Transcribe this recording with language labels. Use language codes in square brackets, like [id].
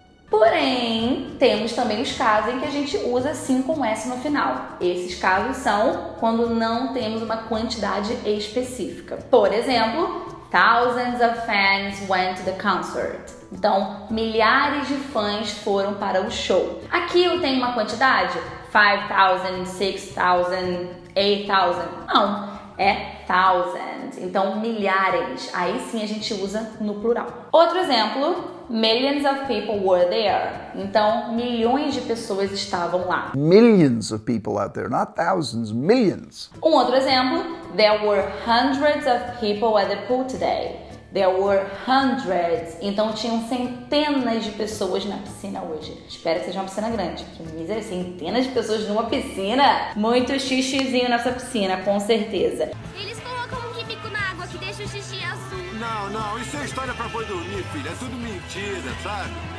[pt] Porém, temos também os casos em que a gente usa sim com S no final. Esses casos são quando não temos uma quantidade específica. [en] Por exemplo, thousands of fans went to the concert. [pt] Então, milhares de fãs foram para o show. Aqui eu tenho uma quantidade? 5,000, 6,000, 8,000. Não, é thousands. Então, milhares. Aí sim a gente usa no plural. [en] Outro exemplo, millions of people were there. [pt] Então, milhões de pessoas estavam lá. [en] Millions of people out there, not thousands, millions. Um outro exemplo, there were hundreds of people at the pool today. There were hundreds. [pt] Então tinham centenas de pessoas na piscina hoje. Espero que seja uma piscina grande. Que miséria, centenas de pessoas numa piscina. Muito xixizinho nessa piscina, com certeza. Eles colocam um químico na água que deixa o xixi azul. Não, isso é história pra boi dormir, filha. É tudo mentira, sabe?